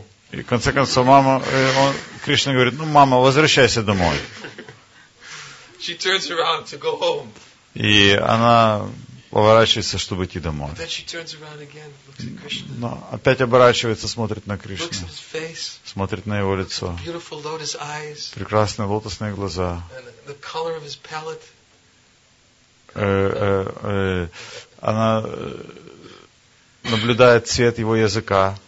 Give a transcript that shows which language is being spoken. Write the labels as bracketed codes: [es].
[ru] И в конце концов, мама, Кришна говорит, ну, мама, возвращайся домой. [en] She turns around to go home. [ru] И она поворачивается, чтобы идти домой. [en] But then she turns around again, looks at Krishna. [ru] Но опять оборачивается, смотрит на Кришну. [en] Looks at his face, [ru] смотрит на его лицо. [en] The beautiful lotus eyes, [ru] прекрасные лотосные глаза. [en] And the color of his palette. [ru] Она наблюдает цвет его языка.